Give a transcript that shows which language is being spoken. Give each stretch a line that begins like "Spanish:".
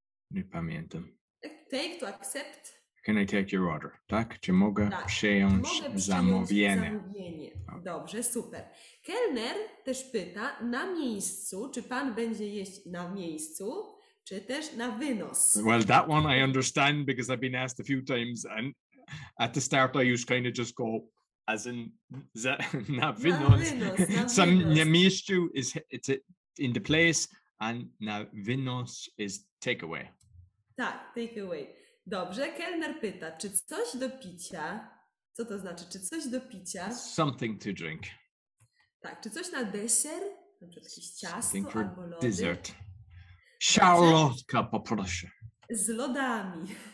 Polish: Nie pamiętam.
English: Take to accept. Can I take your order, tak?
Polish: Czy mogę, tak, przyjąć, mogę przyjąć zamówienie? Zamówienie. Dobrze, super. Kelner też pyta: na miejscu, czy pan będzie jeść na miejscu? Czy też na wynos?
English: Well, that one I understand because I've been asked a few times and at the start I used kind of just go... As in,
Polish: na wynos.
English: So,
Polish: na miejscu
English: is it's in the place, and
Polish: na wynos
English: is takeaway.
Polish: Tak, takeaway. Dobrze, kelner pyta, czy coś do picia? Co to znaczy, czy coś do picia?
English: Something to drink.
Polish: Tak, czy coś na deser? Na przykład jakieś ciasto
English: something
Polish: albo lody? Dessert. Szarlotka, poproszę. Z lodami.